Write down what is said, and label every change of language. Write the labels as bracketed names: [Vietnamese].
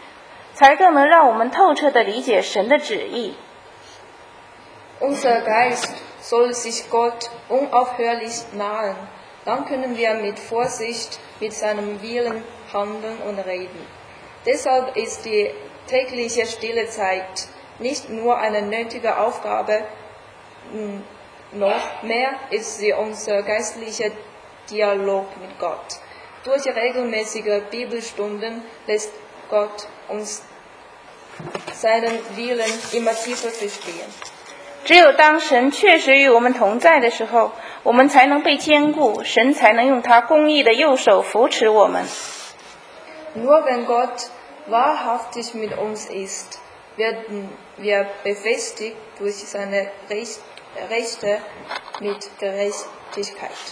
[Chinese] 我们当在灵里不断地亲近神，按照他的旨意谨慎我们的言行。因此，每日的读经祷告不只是一项必须的任务，更是在灵里与我们的神对话。定期的查经学习，才更能让我们透彻地理解神的旨意。 [German] Unser Geist soll sich Gott unaufhörlich nahen. Dann können wir mit Vorsicht mit seinem Willen handeln und reden. Deshalb ist die tägliche stille Zeit nicht nur eine nötige Aufgabe, noch mehr ist sie unser geistlicher Dialog mit Gott. Durch regelmäßige Bibelstunden lässt Gott uns seinen Willen immer tiefer verstehen. [Chinese] 只有当神确实与我们同在的时候，我们才能被坚固，神才能用他公义的右手扶持我们。 [German] Nur wenn Gott wahrhaftig mit uns ist, werden wir befestigt durch seine Rechte mit Gerechtigkeit.